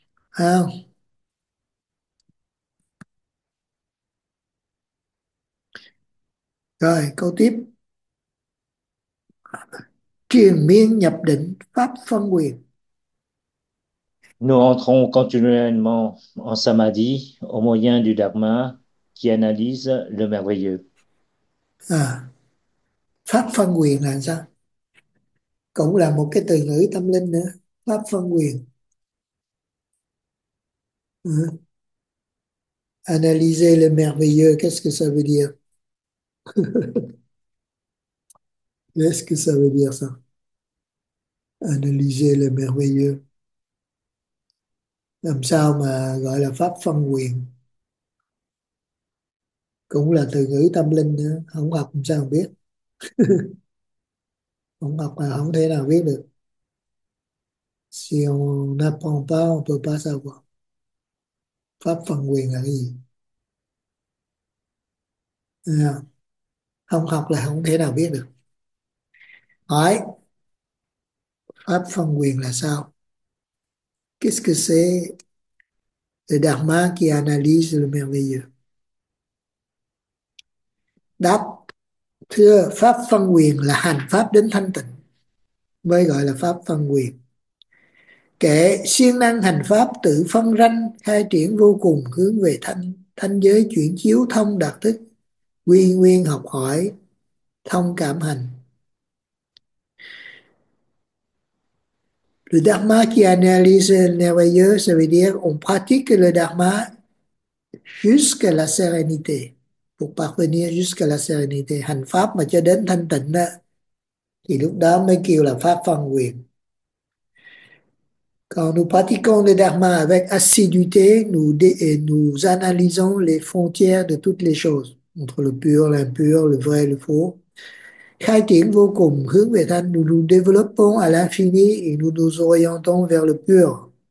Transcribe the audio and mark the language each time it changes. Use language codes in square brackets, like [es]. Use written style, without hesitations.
[vi] Không? Rồi, câu tiếp. Triền miên nhập định, pháp phân quyền. [fr] Nous entrons continuellement en samadhi au moyen du dharma qui analyse le merveilleux. [vi] À, pháp phân quyền là sao? Cũng là một cái từ ngữ tâm linh nữa, pháp phân quyền. [fr] Analyser le merveilleux, qu'est-ce que ça veut dire? Qu'est-ce que ça veut dire ça? Analyser le merveilleux. [vi] Làm sao mà gọi là pháp phân quyền? Cũng là từ ngữ tâm linh nữa, không học làm sao không biết. Không học là không thể nào biết được. [fr] Si on n'apprend pas, on peut pas savoir. [vi] Pháp phân quyền là cái gì? Không học là không thể nào biết được. Hỏi, pháp phân quyền là sao? [fr] Qu'est-ce que c'est? Le dharma qui analyse le merveilleux. [vi] Đáp, thưa, pháp phân quyền là hành pháp đến thanh tịnh mới gọi là pháp phân quyền. Kệ, siêng năng hành pháp tự phân ranh, khai triển vô cùng hướng về thanh, thanh giới chuyển chiếu thông đạt thức, quy nguyên học hỏi, thông cảm hành. [fr] Le dharma qui analyse le merveilleux, ça veut dire on pratique le dharma jusqu'à la sérénité. Pour parvenir jusqu'à la sérénité, [vi] hành pháp mà cho đến thanh tịnh đó, thì lúc đó mới kêu là pháp phân quyền. [fr] Quand nous pratiquons le dharma avec assiduité, nous analysons les frontières de toutes les choses, entre le pur, l'impur, le vrai, le faux. [vi] Khai triển vô cùng, hướng về thanh, [fr] nous nous développons à l'infini et nous nous orientons vers le pur.